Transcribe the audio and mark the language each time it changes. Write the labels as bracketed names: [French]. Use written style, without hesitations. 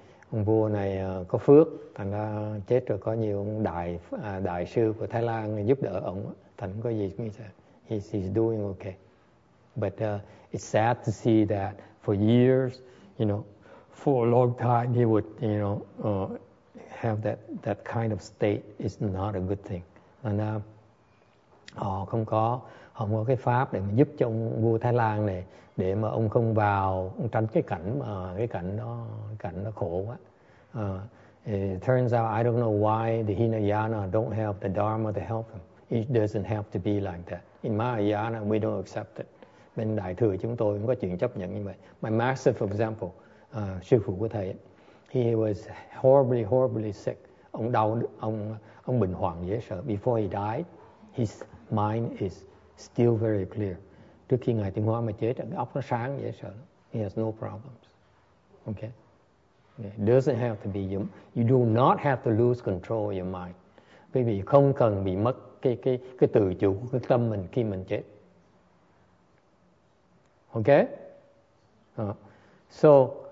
[Vietnamese] Ông vua này có phước, thành ra chết rồi có nhiều ông đại sư của Thái Lan giúp đỡ ông, thành có gì cũng vậy. [English] He's doing okay, but it's sad to see that for years, you know, for a long time he would, you know, have that kind of state. It's not a good thing. [Vietnamese] And không có cái pháp để mà giúp cho ông vua Thái Lan này, để mà ông không vào, ông tránh cái cảnh đó khổ quá. [English] It turns out I don't know why the Hinayana don't help the Dharma to help him. It doesn't have to be like that. In Mahayana, we don't accept it. [Vietnamese] Bên Đại Thừa chúng tôi cũng có chuyện chấp nhận như vậy. [English] My master, for example, [Vietnamese] sư phụ của thầy, [English] he was horribly, horribly sick. [Vietnamese] Ông đau, ông bệnh hoạn dễ sợ. [English] Before he died, his mind is still very clear. [Vietnamese] Trước khi ngài Tịnh Hóa mà chết, cái óc nó sáng dễ sợ. [English] He has no problems. Okay. Yeah. Doesn't have to be you do not have to lose control of your mind. [Vietnamese] Quý vị không cần bị mất cái tự chủ của cái tâm mình khi mình chết. [English] Okay. So